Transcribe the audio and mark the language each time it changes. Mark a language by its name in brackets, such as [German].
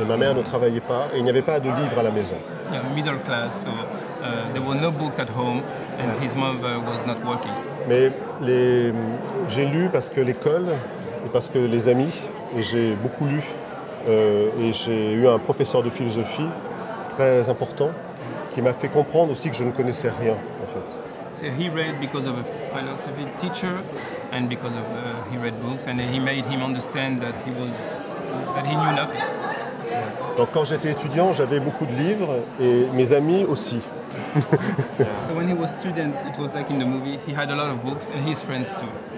[French] Et ma mère ne travaillait pas et il n'y avait pas de livres à la maison. [English] Yeah, middle class, so there were no books at home, and his mother was not working. [French] Mais j'ai lu parce que l'école et parce que les amis, et j'ai beaucoup lu et j'ai eu un professeur de philosophie très important qui m'a fait comprendre aussi que je ne connaissais rien en fait. [English] So he read because of a philosophy teacher and because of he read books and he made him understand that he knew nothing. [French] Donc quand j'étais étudiant, j'avais beaucoup de livres et mes amis aussi. [English] So when he was student, it was like in the movie, he had a lot of books and his friends too.